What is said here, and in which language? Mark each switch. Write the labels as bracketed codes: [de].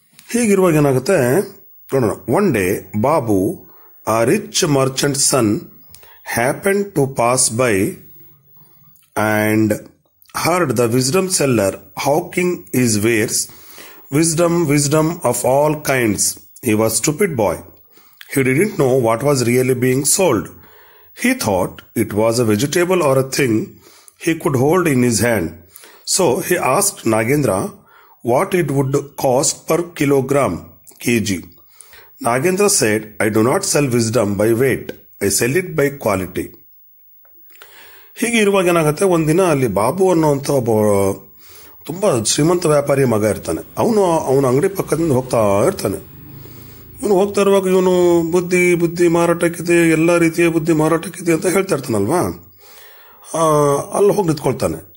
[kn] ಹೀಗಿರುವಾಗ ಏನಾಗುತ್ತೆ ನೋಡೋಣ. [en] One day Babu, a rich merchant son, happen to pass by and heard the wisdom seller hawking his wares wisdom of all kinds. He was stupid boy, he didn't know what was really being sold. He thought it was a vegetable or a thing he could hold in his hand. So he asked Nagendra what it would cost per kilogram, kg. Nagendra said, I do not sell wisdom by weight. I sell it by quality. [kn] ಹೀಗೆ ಇರುವಾಗ ಏನಾಗುತ್ತೆ, ಒಂದಿನ ಅಲ್ಲಿ ಬಾಬು ಅನ್ನೋಂಥ ಒಬ್ಬ ತುಂಬ ಶ್ರೀಮಂತ ವ್ಯಾಪಾರಿಯ ಮಗ ಇರ್ತಾನೆ. ಅವನು ಅವನ ಅಂಗಡಿ ಪಕ್ಕದಿಂದ ಹೋಗ್ತಾ ಇರ್ತಾನೆ. ಇವನು ಹೋಗ್ತಾ ಇರುವಾಗ ಇವನು ಬುದ್ಧಿ ಮಾರಾಟಕ್ಕಿದೆ, ಎಲ್ಲ ರೀತಿಯ ಬುದ್ಧಿ ಮಾರಾಟಕ್ಕಿದೆ ಅಂತ ಹೇಳ್ತಾ ಇರ್ತಾನಲ್ವಾ. ಅಲ್ಲಿ ಹೋಗಿ ನಿಂತ್ಕೊಳ್ತಾನೆ.